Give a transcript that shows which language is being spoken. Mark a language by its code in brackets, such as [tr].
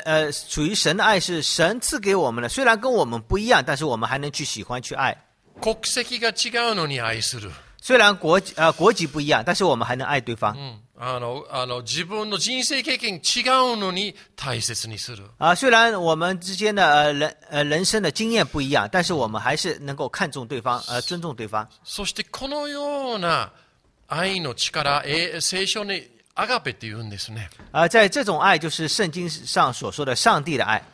[zh] 属于神的爱是神赐给我们的，虽然跟我们不一样，但是我们还能去喜欢去爱。 [ja] 国籍が違うのに愛する。 [zh] 虽然国籍不一样，但是我们还能爱对方。 [ja] 自分の人生経験違うのに大切にする。 [zh] 虽然我们之间的人生的经验不一样，但是我们还是能够看重对方，尊重对方。 [ja] そしてこのような愛の力、聖書にアガペって言うんですね。 [zh] 在这种爱就是圣经上所说的上帝的爱。